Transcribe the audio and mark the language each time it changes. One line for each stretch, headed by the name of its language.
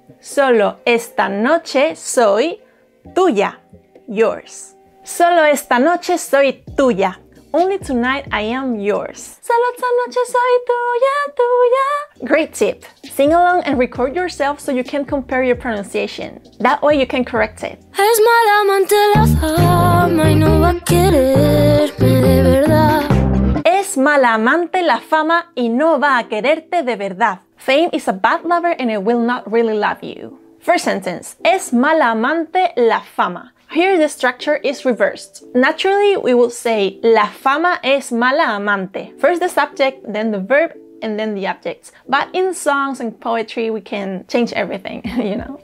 Spanish: Solo esta noche soy tuya.
English: Yours.
Spanish: Solo esta noche soy tuya.
English: Only tonight I am yours.
Spanish: Solo esta noche soy tuya, tuya.
English: Great tip! Sing along and record yourself so you can compare your pronunciation. That way you can correct it.
Spanish: Es malamente la fama y no va a quererme de verdad. Es malamente la fama y no va a quererte de verdad.
English: Fame is a bad lover and it will not really love you. First sentence.
Spanish: Es malamente la fama.
English: Here the structure is reversed. Naturally, we will say
Spanish: la fama es mala amante.
English: First the subject, then the verb, and then the object. But in songs and poetry, we can change everything, you know?